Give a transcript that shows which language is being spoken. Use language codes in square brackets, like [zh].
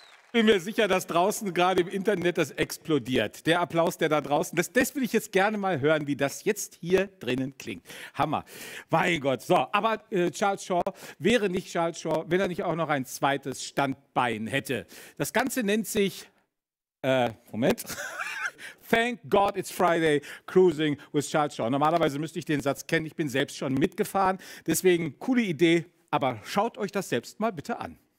[de] Ich bin mir sicher, dass draußen gerade im Internet das explodiert. Der Applaus, der da draußen, das will ich jetzt gerne mal hören, wie das jetzt hier drinnen klingt. Hammer. Mein Gott. So, aber Charles Shaw wäre nicht Charles Shaw, wenn er nicht auch noch ein zweites Standbein hätte. Das Ganze nennt sich, Moment. [en] Thank God it's Friday, cruising with Charles Shaw. [de] Normalerweise müsste ich den Satz kennen, ich bin selbst schon mitgefahren. Deswegen, coole Idee, aber schaut euch das selbst mal bitte an.